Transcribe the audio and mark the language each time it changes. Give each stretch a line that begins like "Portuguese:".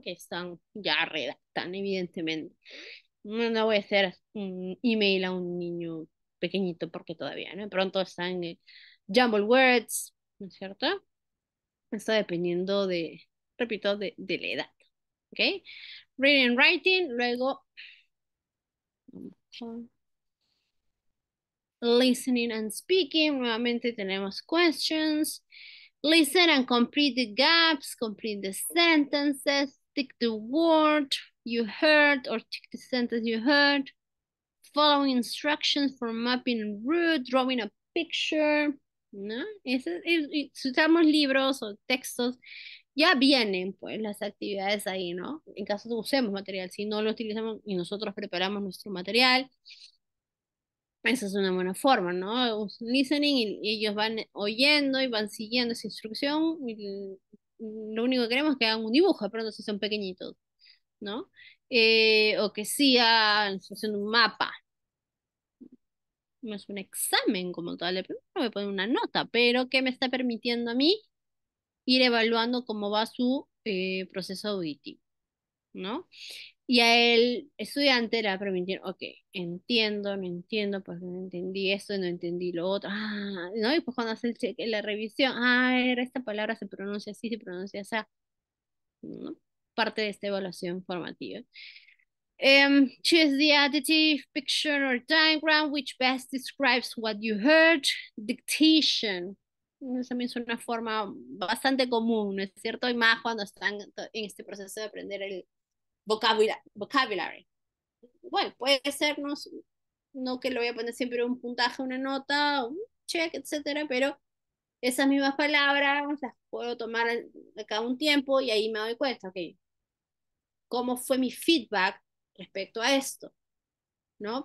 Spanish: Que están ya redactando, evidentemente. No voy a hacer un email a un niño pequeñito porque todavía, ¿no? Pronto están en jumble words, ¿no es cierto? Está dependiendo de, repito, de la edad, ¿ok?
English: Reading, writing, luego listening and speaking.
Spanish: Nuevamente tenemos
English: questions. Listen and complete the gaps, complete the sentences, tick the word you heard or tick the sentence you heard. Following instructions for mapping route, drawing a picture.
Spanish: ¿No? Si usamos libros o textos, ya vienen pues las actividades ahí, ¿no? En caso de usemos material, si no lo utilizamos y nosotros preparamos nuestro material, esa es una buena forma, ¿no? Listening y ellos van oyendo y van siguiendo esa instrucción. Lo único que queremos es que hagan un dibujo, pero no sé si son pequeñitos, ¿no? O que sea instrucción de un mapa. No es un examen como tal, de pronto me ponen una nota, pero ¿qué me está permitiendo a mí? Ir evaluando cómo va su proceso auditivo, ¿no? Y a el estudiante le va a permitir, ok, entiendo, no entiendo, pues no entendí esto, no entendí lo otro, ah, ¿no? Y pues cuando hace el cheque, la revisión, ah, era esta palabra, se pronuncia así, se pronuncia así, ¿no? Parte de esta evaluación formativa.
English: Choose the adjective, picture or diagram which best describes what you heard. Dictation.
Spanish: Eso también es una forma bastante común, ¿no es cierto? Y más cuando están en este proceso de aprender el vocabulary. Bueno, puede ser, no que le voy a poner siempre un puntaje, una nota, un check, etcétera, pero esas mismas palabras las puedo tomar acá un tiempo y ahí me doy cuenta, ok, ¿cómo fue mi feedback respecto a esto? ¿No?